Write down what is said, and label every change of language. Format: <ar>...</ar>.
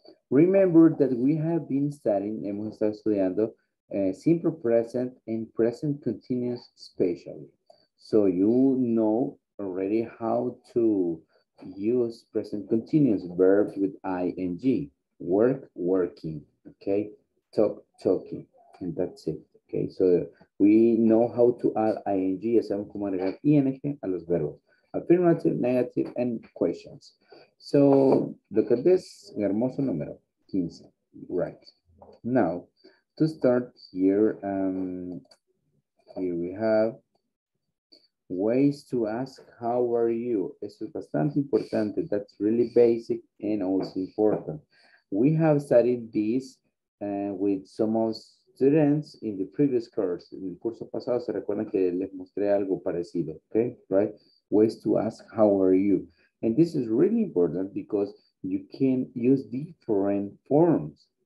<en>Remember that we have been studying,</en> <es>hemos estado estudiando,</es> <en>simple present and present continuous spatially. So you know already how to use present continuous verbs with ing, work, working, okay, talk, talking. And that's it. Okay, so we know how to add ing.</en> <es>Ya sabemos cómo agregar ing a los verbos.</es> <en>Affirmative, negative, and questions. So look at this</en> <es>hermoso número</es> <en>15. Right. Now, to start here, here we have ways to ask how are you.</en> <es>Eso es bastante importante.</es> <en>That's really basic and also important. We have studied this with some of students in the previous course.</en> <es>En el curso pasado, se recuerdan que les mostré algo parecido, okay?</es> <en>Right? Ways to ask how are you. And this is really important because you can use different forms.</en>